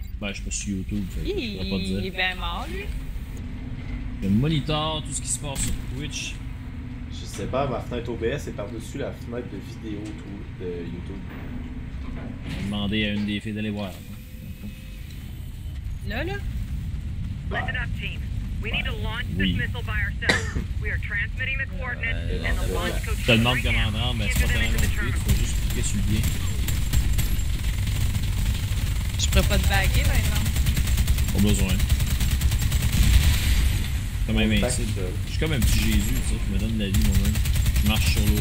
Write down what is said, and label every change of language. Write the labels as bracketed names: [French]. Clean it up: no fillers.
[French] Ben, je suis pas sur YouTube, fait, je pourrais pas te dire. Il est bien mort lui. Je monitor tout ce qui se passe sur Twitch. Je sais pas, ma fenêtre OBS est par-dessus la fenêtre de vidéo de YouTube. On va demander à une des filles d'aller voir. Là, là? [English] Listen up, team. We need to launch this missile by ourselves. We are transmitting the coordinates and the launch code. [French] Je te demande comment rendre, mais c'est pas tellement compliqué. Tu peux juste cliquer sur le lien. Je pourrais pas te baguer maintenant. Pas besoin. Quand même, je suis comme un petit Jésus, tu sais, qui me donne la vie, moi-même. Je marche sur l'eau.